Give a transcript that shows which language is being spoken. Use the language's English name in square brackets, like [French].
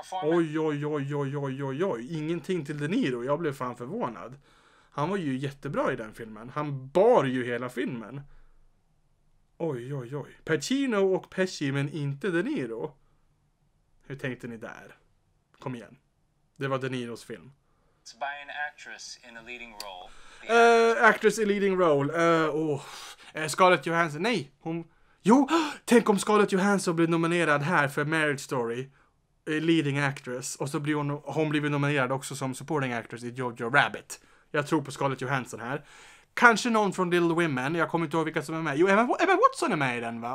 [Swedish] Oj, oj, oj, oj, oj, oj, oj. Ingenting till De Niro. Jag blev fan förvånad. Han var ju jättebra i den filmen. Han bar ju hela filmen. Oj, oj, oj. Pacino och Pesci, men inte De Niro. Hur tänkte ni där? Kom igen. Det var De Niros film. [English] It's by an actress in a leading role. Actress in leading role. [Swedish] Scarlett Johansson. Nej, hon... Jo, tänk om Scarlett Johansson blir nominerad här för Marriage Story, leading actress, och så blir hon blivit nominerad också som supporting actress i Jojo Rabbit. Jag tror på Scarlett Johansson här. Kanske någon från Little Women, jag kommer inte ihåg vilka som är med. Jo, Emma Watson är med i den, va?